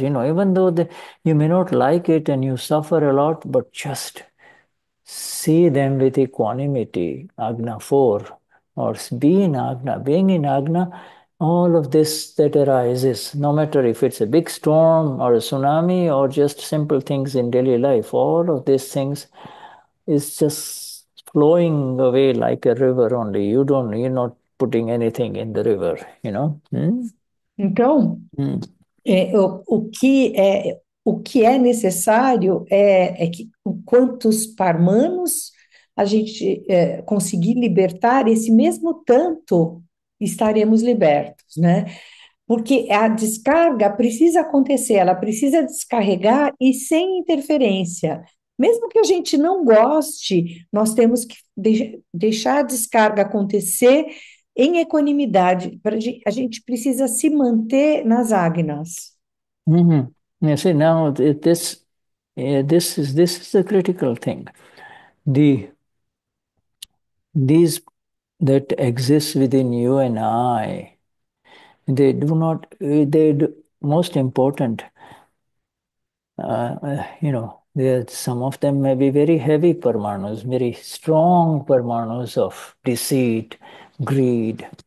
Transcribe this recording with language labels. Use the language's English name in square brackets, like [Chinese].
[English] You know, even though you may not like it and you suffer a lot, but just see them with equanimity, Agna 4, or being in Agna, all of this that arises, no matter if it's a big storm or a tsunami or just simple things in daily life, all of these things is just flowing away like a river only. You're not putting anything in the river, you know? [Portuguese] Então, o que é necessário é que quantos parmanos a gente conseguir libertar, esse mesmo tanto estaremos libertos, né? Porque a descarga precisa acontecer, ela precisa descarregar e sem interferência. Mesmo que a gente não goste, nós temos que deixar a descarga acontecer. Em equanimidade, para a gente precisa se manter nas agnas. [English] You see, now this is a critical thing. These that exist within you and I, they do not, they do, most important, you know, that some of them may be very heavy parmanus, very strong parmanus of deceit, greed.